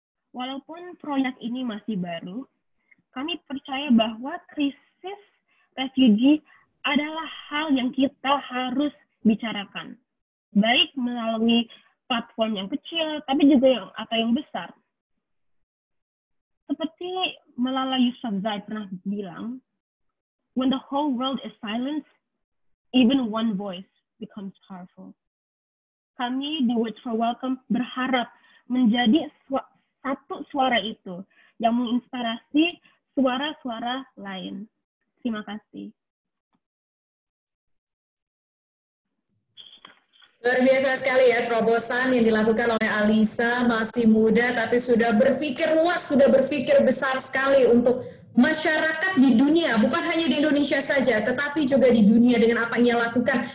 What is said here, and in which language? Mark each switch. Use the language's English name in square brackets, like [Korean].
[Indonesian] Walaupun proyek ini masih baru, kami percaya bahwa krisis refugee adalah hal yang kita harus bicarakan. Baik melalui platform yang kecil, tapi juga yang atau yang besar. Seperti Malala Yousafzai pernah bilang, [English] when the whole world is silent, even one voice becomes powerful. [Indonesian] Kami di Words for Welcome berharap menjadi satu suara itu yang menginspirasi suara-suara lain. Terima kasih. Luar biasa sekali ya terobosan yang dilakukan oleh Alisa, masih muda tapi sudah berpikir luas, sudah berpikir besar sekali untuk masyarakat di dunia, bukan hanya di Indonesia saja, tetapi juga di dunia dengan apa yang ia lakukan.